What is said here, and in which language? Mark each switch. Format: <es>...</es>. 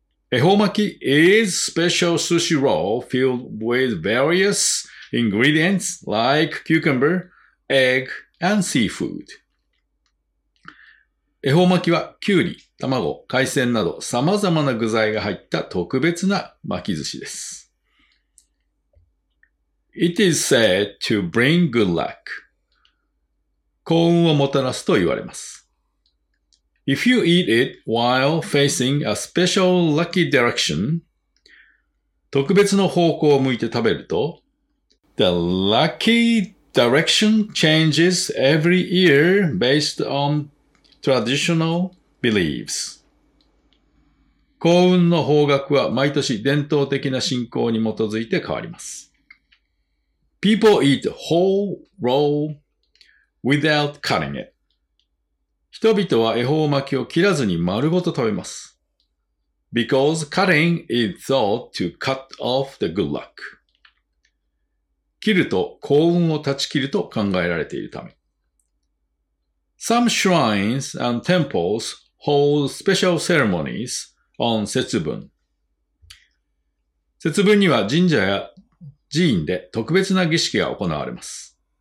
<en>恵方巻き is special sushi roll filled with various ingredients like cucumber, egg, and seafood.</en> <ja>恵方巻きはきゅうり、卵、海鮮など様々な具材が入った特別な巻き寿司です。</ja> <en>It is said to bring good luck.</en> <ja>幸運をもたらすと言われます。</ja> <en>If you eat it while facing a special lucky direction,</en> <ja>特別の方向を向いて食べると、</ja> <en>the lucky direction changes every year based on traditional beliefs.</en> <ja>幸運の方角は毎年伝統的な信仰に基づいて変わります。</ja> <en>People eat whole roll without cutting it.</en> <ja>人々は恵方巻きを切らずに丸ごと食べます。</ja> <en>Because cutting is thought to cut off the good luck.</en> <ja>切ると幸運を断ち切ると考えられているため。</ja> <en>Some shrines and temples hold special ceremonies on 節分。</en> <ja>節分には神社や寺院で特別な儀式が行われます。</ja>